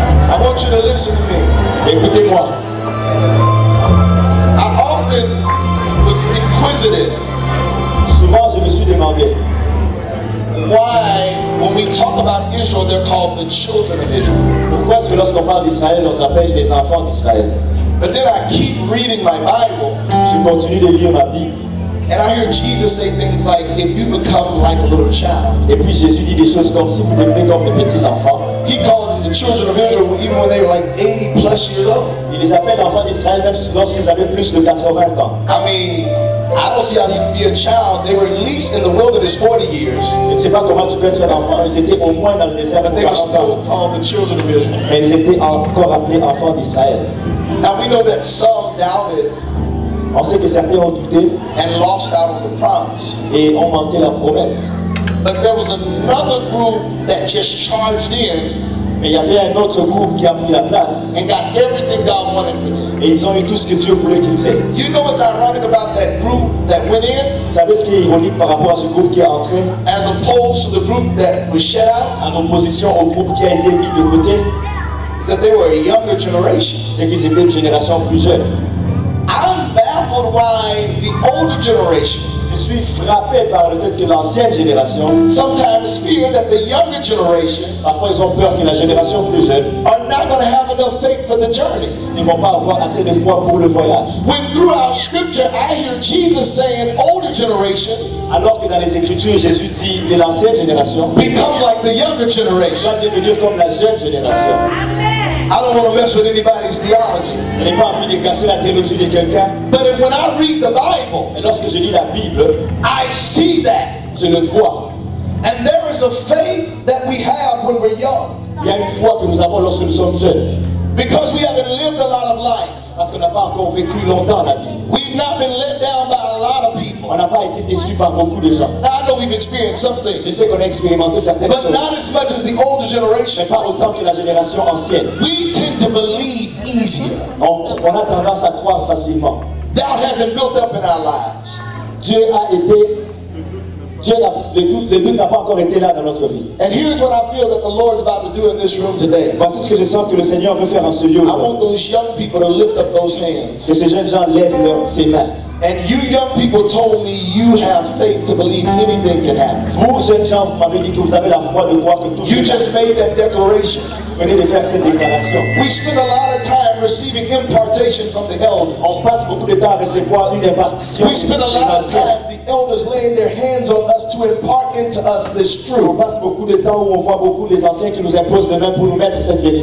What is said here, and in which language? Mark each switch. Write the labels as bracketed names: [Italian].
[English] I want you to listen to me. [French] Écoutez-moi. [English] I often was inquisitive. [French] Souvent, je me suis demandé. [English] Why, when we talk about Israel, they're called the children of Israel. [French] Pourquoi est-ce que lorsqu'on parle d'Israël, on s'appelle les enfants d'Israël? [English] But then I keep reading my Bible. [French] Je continue de lire ma Bible. [English] And I hear Jesus say things like, if you become like a little child. [French] Et puis Jésus dit des choses comme, si vous devenez comme des petits enfants. [English] He called them the children of Israel even when they were like 80 plus years old. [French] Il les appelle enfants d'Israël même lorsqu'ils avaient plus de 80 ans. [English] I mean, I don't see how you can be a child. They were at least in the wilderness 40 years. [French] Je ne sais pas comment tu peux être un enfant. Ils étaient au moins dans le désert pour 40 ans. [English] But they were still called the children of Israel. [French] Mais ils étaient encore appelés enfants d'Israël. [English] Now we know that some doubted. [French] On sait que certains ont douté [English] and lost out on the promise. [French] Et ont manqué la promesse. [English] But there was another group that just charged in. [French] Mais il y avait un autre groupe qui a pris la place. [English] And got everything God wanted for them. [French] Et ils ont eu tout ce que Dieu voulait qu'ils aient. [English] You know what's ironic about that group that went in? [French] Vous savez ce qui est ironique par rapport à ce groupe qui est entré? [English] As opposed to the group that was shut out. [French] En opposition au groupe qui a été mis de côté. [English] Is that they were a younger generation. [French] C'est qu'ils étaient une génération plus jeune. [English] Why the older generation? [French] Je suis frappé par le fait que l'ancienne génération. [English] Sometimes fear that the younger generation. [French] Parfois ils ont peur que la génération plus jeune. [English] Are not going to have enough faith for the journey. [French] Ils vont pas avoir assez de foi pour le voyage. [English] When throughout Scripture I hear Jesus saying, older generation. [French] Alors que dans les Écritures Jésus dit de l'ancienne génération. [English] Become like the younger generation. [French] Soit devenir comme la jeune génération. [English] I don't want to mess with anybody's theology. [French] Je n'ai pas envie de casser la théologie de quelqu'un. [English] But when I read the Bible, [French] et lorsque je lis la Bible, [English] I see that. [French] Je le vois. [English] And there is a faith that we have when we're young. [French] Il y a une foi que nous avons lorsque nous sommes jeunes. [English] Because we haven't lived a lot of life. [French] Parce qu'on n'a pas encore vécu longtemps la vie. [English] We've not been let down by a lot of people. [French] On n'a pas été déçu par beaucoup de gens. [English] Now I know we've experienced something. [French] Je sais qu'on a expérimenté certaines [English] but [French] choses. [English] But not as much as the older generation. [French] Mais pas autant que la génération ancienne. [English] We tend to believe easier. [French] On a tendance à croire facilement. [English] Doubt hasn't built up in our lives. [French] Dieu a été. Le doute n'a pas encore été là dans notre vie. [English] And here's what I feel that the Lord is about to do in this room today. [French] Voici ce que je sens que le Seigneur veut faire en ce lieu. [English] I want those young people to lift up those hands. [French] Que ces jeunes gens lèvent leurs ses mains. [English] And you young people told me you have faith to believe anything can happen. [French] Vous jeunes gens m'avez dit que vous avez la foi de croire que tout. [English] You just made that declaration. [French] Venez de faire cette déclaration. [English] We spend a lot of time receiving impartation from the elders. [French] On passe beaucoup de temps à recevoir une impartition. [English] We spend a lot of time the elders laying their hands on us to impart into us this truth. [French] On passe beaucoup de temps où on voit beaucoup les anciens qui nous imposent les mains pour nous mettre cette vérité.